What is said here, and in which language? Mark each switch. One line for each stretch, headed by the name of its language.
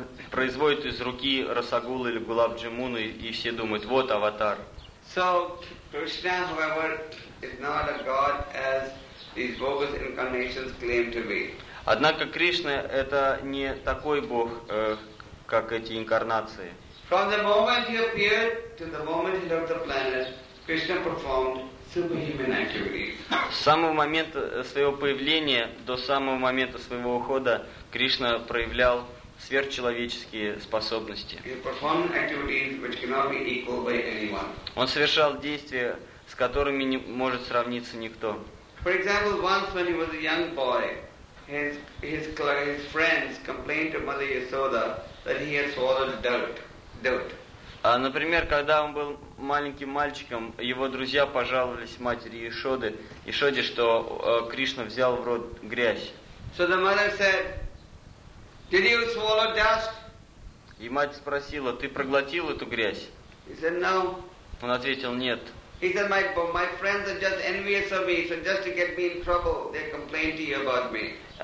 Russian: производит из руки Расагул или Гулаб Джимун, и все думают, вот аватар.
English: So, Krishna, however, is not a god as these bogus incarnations claim to be.
Russian: Однако Кришна — это не такой бог, как эти инкарнации.
English: From the moment he appeared to the moment he left the planet, Krishna performed superhuman activities.
Russian: С самого момента своего появления до самого момента своего ухода Кришна проявлял сверхчеловеческие способности.
English: He performed activities which cannot be equaled by anyone.
Russian: Он совершал действия, с которыми не может сравниться никто.
English: For example, once when he was a young boy, his friends complained to Mother Yasoda that he had swallowed dirt.
Russian: Например, когда он был маленьким мальчиком, его друзья пожаловались матери Ишоде, что Кришна взял в рот грязь.
English: So the mother said, "Did you swallow dust?"
Russian: И мать спросила: "Ты проглотил эту грязь?"
English: He said, "No."
Russian: Он ответил: "Нет."
English: He said, "My friends are just envious of me, so just to get me in trouble, they complain to you about me."